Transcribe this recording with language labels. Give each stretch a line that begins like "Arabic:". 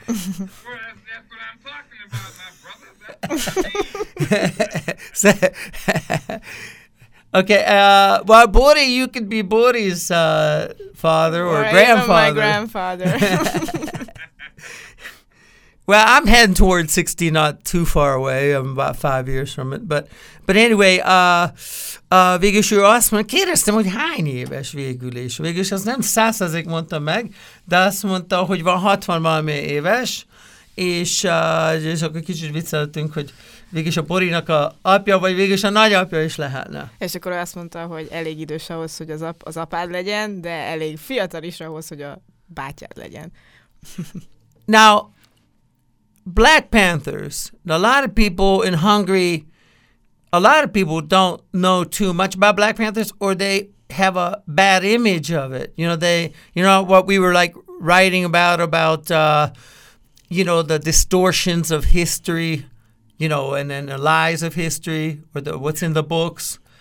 English: Well, that's what I'm talking about, my brother. That's what I mean. Okay. Well, Bori, you could be Bori's father or grandfather. Even my grandfather. Well, I'm heading towards 60, not too far away. I'm about 5 years from it. But anyway,
Hungarian: végülis ő azt mondta, kérdeztem, hogy hány éves végül is. Végülis azt nem 100%-ig mondta meg, de azt mondta, hogy van 60-valami éves, és akkor kicsit vicceltünk, hogy végülis a Borinak a apja, vagy végülis a nagyapja is lehetne. És akkor azt mondta, hogy elég idős ahhoz, hogy az apád legyen, de elég fiatal is ahhoz, hogy a bátyád legyen.
English: Now, Black Panthers, a lot of people in Hungary, a lot of people don't know too much about Black Panthers, or they have a bad image of it. You know, what we were like writing about, you know, the distortions of history, you know, and then the lies of history, or the what's in the books.